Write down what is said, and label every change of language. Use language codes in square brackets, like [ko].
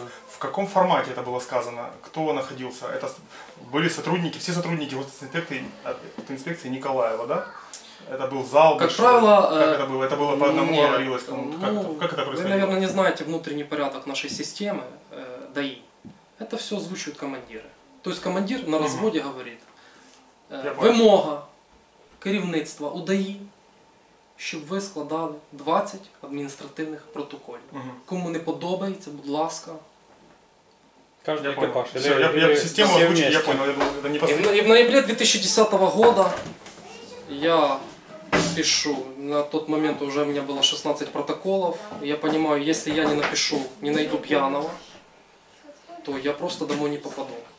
[ru] В каком формате это было сказано? Кто находился? Это были сотрудники, все сотрудники инспекции Николаева, да? Это был зал. Как правило, это было по одному, не аварилось кому-то. Ну, как это происходило? Вы, наверное, не знаете внутренний порядок нашей системы, ДАИ. Это все озвучивают командиры. То есть командир на разводе говорит, [uk] вимога керівництва у ДАІ, щоб ви складали 20 адміністративних протоколів. Угу. Кому не подобається, будь ласка. Кожен екіпаж. [ru] Я в ноябрі 2010 года я пишу, на тот момент уже у меня было 16 протоколов. Я понимаю, если я не напишу, не найду пьяного, то я просто домой не попаду.